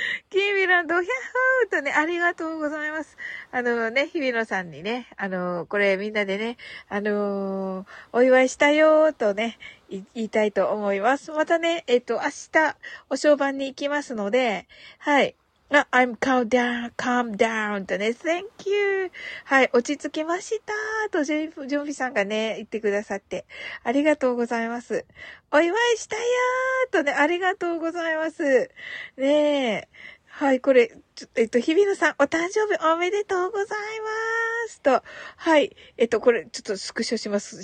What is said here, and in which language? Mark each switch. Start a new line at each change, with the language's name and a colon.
Japanese: キーミランド、ヒャッホーとね、ありがとうございます。ね、日々のさんにね、これみんなでね、お祝いしたよーとね、言いたいと思います。またね、明日、お商売に行きますので、はい。
English: I'm calm down, calm down とね、thank you.
Japanese: はい、落ち着きましたとジョンフィさんがね、言ってくださって、ありがとうございます。お祝いしたよーとね、ありがとうございます。ねえ、はい、これ、日比野さん、お誕生日おめでとうございますと、はい、これ、ちょっとスクショします。